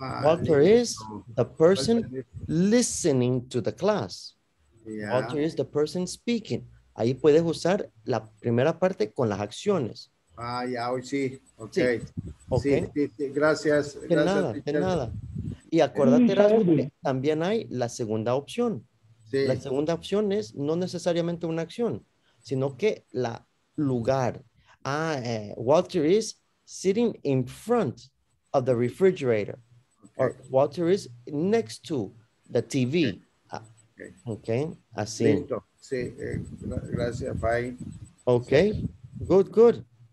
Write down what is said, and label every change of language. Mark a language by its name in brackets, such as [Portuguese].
[English] Walter is the person listening to the class. Yeah. Walter is the person speaking. [Spanish] Ahí puedes usar la primera parte con las acciones. Hoy sí. Okay. Sí, gracias. De nada. Y acuérdate, Rasmus, que también hay la segunda opción. Sí. La segunda opción es no necesariamente una acción, sino que la lugar. [English] Walter is sitting in front of the refrigerator. Okay. Or Walter is next to the TV. Okay. [Spanish] Okay. Así. Listo. Sí. Gracias. Bye. [English] Okay. [Spanish] Sí. [English] Good.